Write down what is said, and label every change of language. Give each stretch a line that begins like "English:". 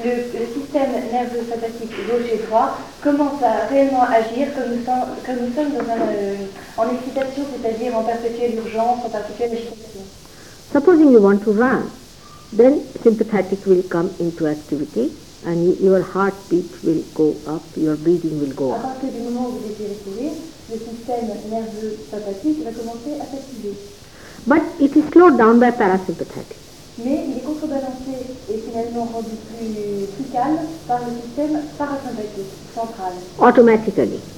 French: Le système nerveux sympathique gauche et droit commence à réellement agir comme nous sommes dans en excitation, c'est-à-dire en perpétuelle urgence, en perpétuelle agitation.
English: Supposing you want to run, then sympathetic will come into activity and your heartbeat will go up, your breathing will go up.
French: À partir du moment où vous désirez courir, le système nerveux sympathique va commencer à s'activer.
English: But it is slowed down by parasympathetic.
French: Mais il est contrebalancé et finalement rendu plus calme par le système parasympathique central.
English: Automatically.